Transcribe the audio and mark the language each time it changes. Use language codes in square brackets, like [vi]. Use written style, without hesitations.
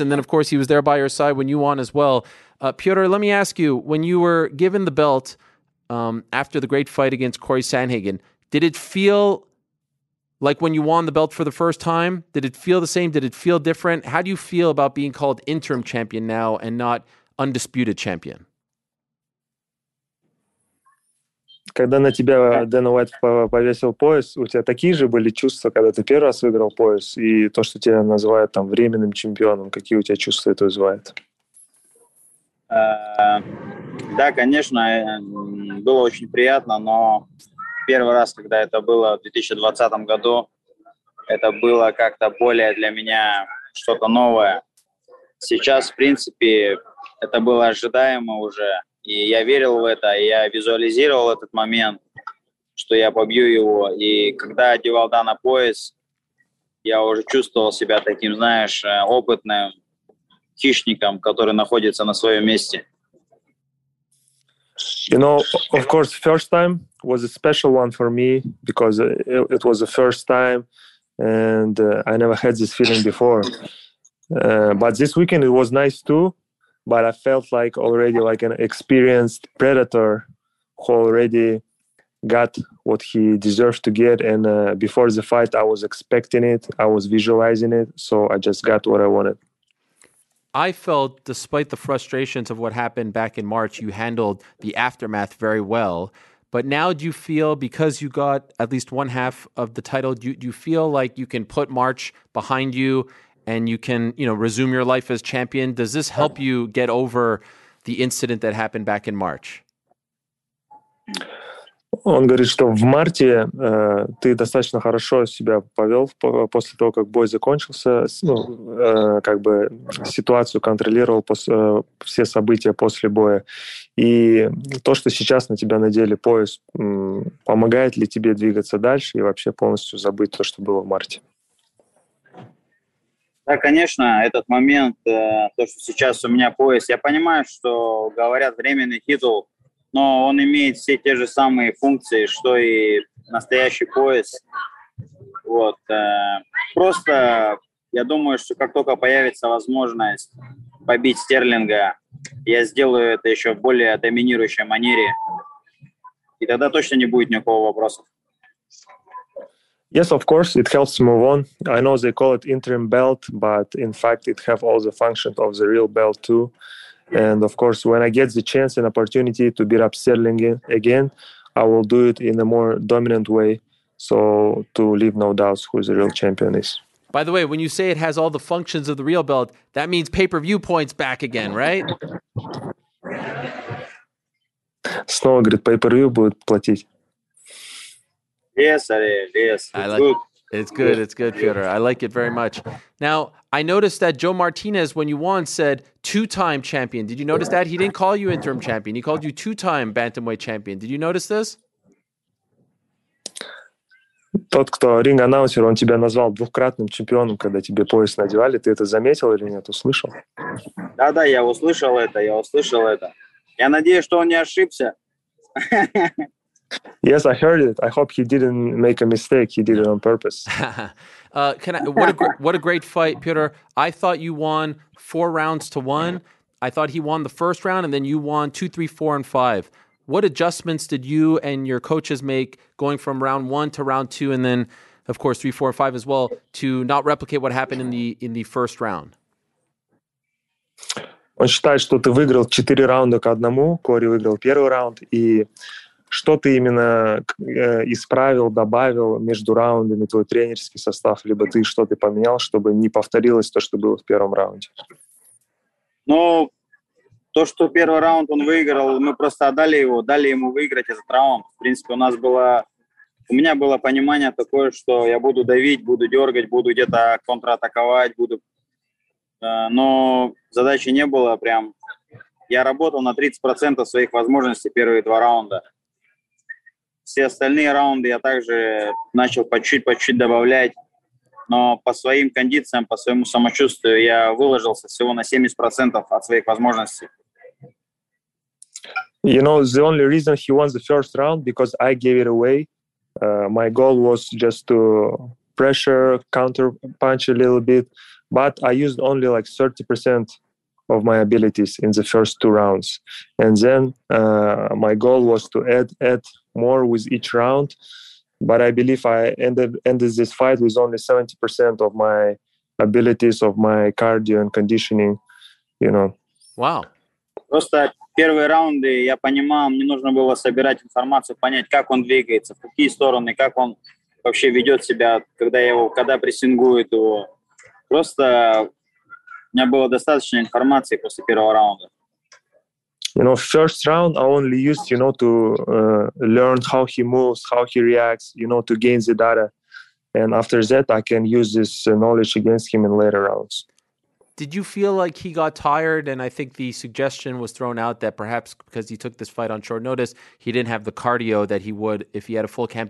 [en] And then, of course, he was there by your side when you won as well. Petr, let me ask you, when you were given the belt after the great fight against Corey Sandhagen, did it feel like when you won the belt for the first time? Did it feel the same? Did it feel different? How do you feel about being called interim champion now and not undisputed champion? [ru] когда на тебя Дэна Уайт повесил пояс, у тебя такие же были чувства, когда ты первый раз выиграл пояс, и то, что тебя называют там временным чемпионом, какие у тебя чувства это вызывает? Да, конечно, было очень приятно, но первый раз, когда это было в 2020 году, это было как-то более для меня что-то новое. Сейчас, в принципе, это было ожидаемо уже, и я верил в это, и я визуализировал этот момент, что я побью его. И когда одевал Дана пояс, я уже чувствовал себя таким, знаешь, опытным хищником, который находится на своем месте. [en] You know, of course, first time was a special one for me because it was the first time and I never had this feeling before. But this weekend it was nice too, but I felt like already like an experienced predator who already got what he deserved to get. And before the fight, I was expecting it. I was visualizing it. So I just got what I wanted. I felt, despite the frustrations of what happened back in March, you handled the aftermath very well. But now do you feel, because you got at least one half of the title, do you feel like you can put March behind you and you can, you know, resume your life as champion? Does this help you get over the incident that happened back in March? [ru] Он говорит, что в марте ты достаточно хорошо себя повел после того, как бой закончился, ну, как бы ситуацию контролировал все события после боя. И то, что сейчас на тебя надели пояс, помогает ли тебе двигаться дальше и вообще полностью забыть то, что было в марте? Да, конечно, этот момент, то, что сейчас у меня пояс. Я понимаю, что говорят временный титул, но он имеет все те же самые функции, что и настоящий пояс. Вот. Просто я думаю, что как только появится возможность побить Стерлинга, я сделаю это еще в более доминирующей манере. И тогда точно не будет никакого вопроса. [en] Yes, of course, it helps move on. I know they call it interim belt, but in fact it have all the functions of the real belt too. And of course, when I get the chance and opportunity to beat up Sterling again, I will do it in a more dominant way, so to leave no doubts who the real champion is. By the way, when you say it has all the functions of the real belt, that means pay-per-view points back again, right? [ru] Снова говорит, pay-per-view будет платить. [en] Yes, it's good. It's good, Peter. I like it very much. Now, I noticed that Joe Martinez, when you won, said two-time champion. Did you notice that? He didn't call you interim champion. He called you two-time bantamweight champion. Did you notice this? [ru] Тот, кто ринг-анонсер, он тебя назвал двукратным чемпионом, когда тебе пояс надевали. Ты это заметил или нет? Услышал? Да-да, я услышал это, Я надеюсь, что он не ошибся. [en] Yes, I heard it. I hope he didn't make a mistake. He did it on purpose. What a great fight, Peter. I thought you won 4-1. I thought he won the first round, and then you won 2, 3, 4, and 5. What adjustments did you and your coaches make going from round 1 to round 2, and then, of course, 3, 4, and 5 as well, to not replicate what happened in the first round? [ru] Он считает, что ты выиграл 4 раунда к одному. Кори выиграл первый раунд, и... Что ты именно исправил, добавил между раундами, твой тренерский состав, либо ты что-то поменял, чтобы не повторилось то, что было в первом раунде? Ну, то, что первый раунд он выиграл, мы просто отдали его, дали ему выиграть этот раунд. В принципе, у меня было понимание такое, что я буду давить, буду дергать, буду где-то контратаковать, буду. Но задачи не было прям. Я работал на 30% своих возможностей первые два раунда. Все остальные раунды я также начал по чуть-чуть добавлять, но по своим кондициям, по своему самочувствию я выложился всего на 70% от своих возможностей. [en] You know, the only reason he won the first round because I gave it away. My goal was just to pressure, counter punch a little bit, but I used only like 30% of my abilities in the first two rounds, and then my goal was to add more with each round, but I believe I ended this fight with only 70% of my abilities, of my cardio and conditioning, you know. Wow. [ru] Просто первые раунды я понимал, мне нужно было собирать информацию, понять, как он двигается, в какие стороны, как он вообще ведет себя, когда его, когда прессингует его. Просто у меня было достаточно информации после первого раунда. [en] You know, first round I only used, you know, to learn how he moves, how he reacts, you know, to gain the data. And after that, I can use this knowledge against him in later rounds. Did you feel like he got tired? And I think the suggestion was thrown out that perhaps because he took this fight on short notice, he didn't have the cardio that he would if he had a full camp.